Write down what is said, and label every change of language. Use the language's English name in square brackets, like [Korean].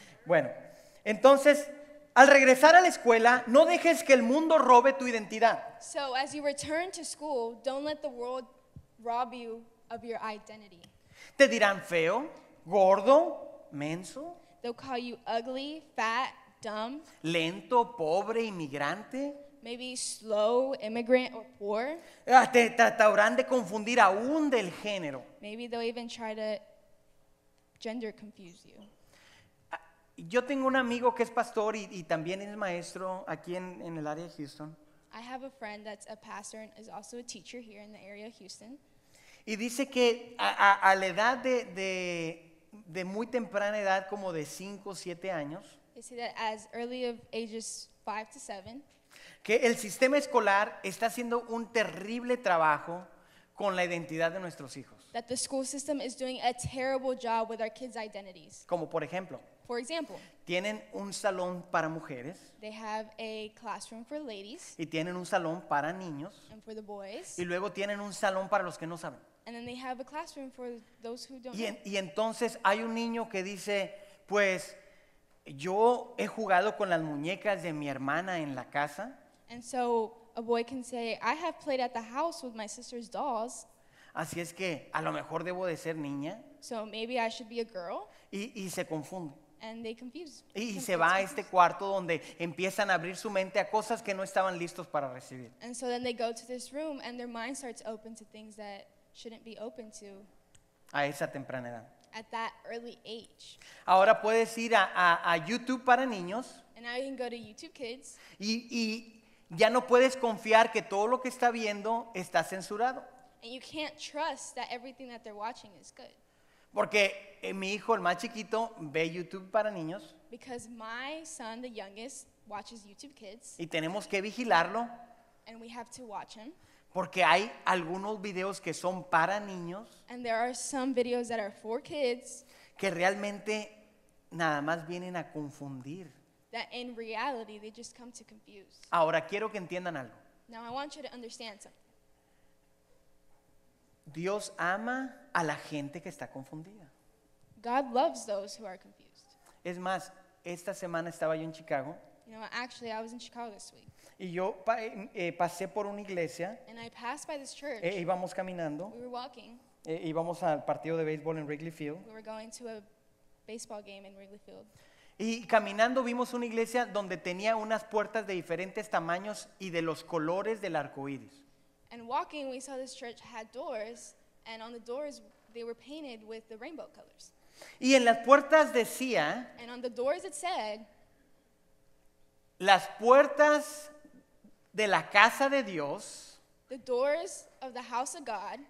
[Spanish] Bueno, entonces, al regresar a la escuela, no dejes que el mundo robe tu identidad. [English] So, as you return to school, don't let the world rob you of your identity. [Spanish] Te dirán feo, gordo, menso. [English] They'll call you ugly, fat, dumb. [Spanish] Lento, pobre, inmigrante. [English] Maybe slow, immigrant, or poor. [Spanish] Te tratarán de confundir aún del género. [English] Maybe they'll even try to gender confuse you. [Spanish] Yo tengo un amigo que es pastor y también es maestro aquí en el área de Houston. [English] I have a friend that's a pastor and is also a teacher here in the area of Houston. [Spanish] Y dice que a la edad de muy temprana edad, como de 5 o 7 años, [English] they say that as early of ages 5 to 7, [Spanish] que el sistema escolar está haciendo un terrible trabajo con la identidad de nuestros hijos. [English] That the school system is doing a terrible job with our kids' identities. [Spanish] Como por ejemplo, [English] for example, [Spanish] tienen un salón para mujeres. [English] They have a classroom for ladies. [Spanish] Y tienen un salón para niños. [English] And for the boys. [Spanish] Y luego tienen un salón para los que no saben. [English] And then they have a classroom for those who don't. [Spanish] Y entonces hay un niño que dice, pues yo he jugado con las muñecas de mi hermana en la casa. [English] And so a boy can say, I have played at the house with my sister's dolls. [Spanish] Así es que a lo mejor debo de ser niña. [English] So maybe I should be a girl. [Spanish] Y se confunde. [English] And they confuse. [Spanish] Y se va a este cuarto donde empiezan a abrir su mente a cosas que no estaban listos para recibir. [English] And so then they go to this room and their mind starts open to things that shouldn't be open to. [Spanish] A esa temprana edad. [English] At that early age. [Spanish] Ahora puedes ir a YouTube para niños. [English] And now you can go to YouTube Kids. [Spanish] Y ya no puedes confiar que todo lo que está viendo está censurado. [English] And you can't trust that everything that they're watching is good. [Spanish] Porque mi hijo, el más chiquito, ve YouTube para niños. [English] Because my son, the youngest, watches YouTube Kids. [Spanish] Y tenemos que vigilarlo. [English] And we have to watch him. [Spanish] Porque hay algunos videos que son para niños. [English] And there are some videos that are for kids. [Spanish] Que realmente nada más vienen a confundir. [English] That in reality, they just come to confuse. [Spanish] Ahora quiero que entiendan algo. [English] Now I want you to understand something. [Spanish] Dios ama a la gente que está confundida. [English] God loves those who are confused. [Spanish] Es más, esta semana estaba yo en Chicago. [English] You know, actually, I was in Chicago this week. [Spanish] Y yo pasé por una iglesia. [English] And I passed by this church. [Spanish] Íbamos caminando. [English] We were walking. [Spanish] Íbamos al partido de béisbol en Wrigley Field. [English] We were going to a baseball game in Wrigley Field. [Spanish] Y caminando vimos una iglesia donde tenía unas puertas de diferentes tamaños y de los colores del arco iris. [English] And walking, we saw this church had doors, and on the doors, they were painted with the rainbow colors. [Spanish] Y en las puertas decía, [English] and on the doors it said, [Spanish] las puertas de la casa de Dios, [English] the doors of the house of God,